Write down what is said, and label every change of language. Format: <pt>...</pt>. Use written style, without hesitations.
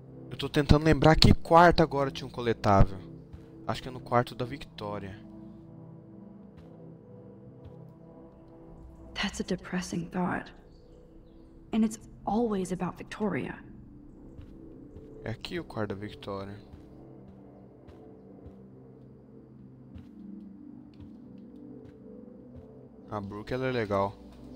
<pt>Eu tô tentando lembrar que quarto agora tinha um coletável. Acho que é no quarto da Victoria.</pt> <en>That's a depressing thought. And it's always about Victoria.</en> <pt>É aqui o quarto da Victoria. A Brooke, ela é legal.</pt>